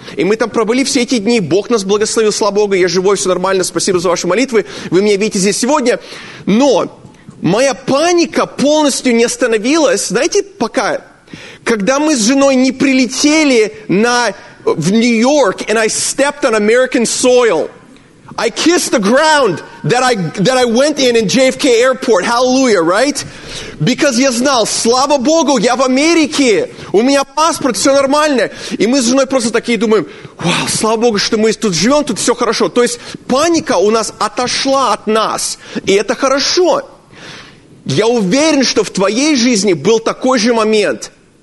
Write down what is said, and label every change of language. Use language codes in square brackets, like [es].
[ru] И мы там пробыли все эти дни, Бог нас благословил, слава Богу, я живой, все нормально, спасибо за ваши молитвы, вы меня видите здесь сегодня. Но моя паника полностью не остановилась, знаете, пока, когда мы с женой не прилетели в Нью-Йорк, [en] and I stepped on American soil. I kissed the ground that I went in JFK Airport. Hallelujah, right? Because [ru] я знал, слава Богу, я в Америке. У меня паспорт, все нормально. И мы с женой просто такие думаем, вау, слава Богу, что мы тут живем, тут все хорошо. То есть паника у нас отошла от нас. И это хорошо. Я уверен, что в твоей жизни был такой же момент.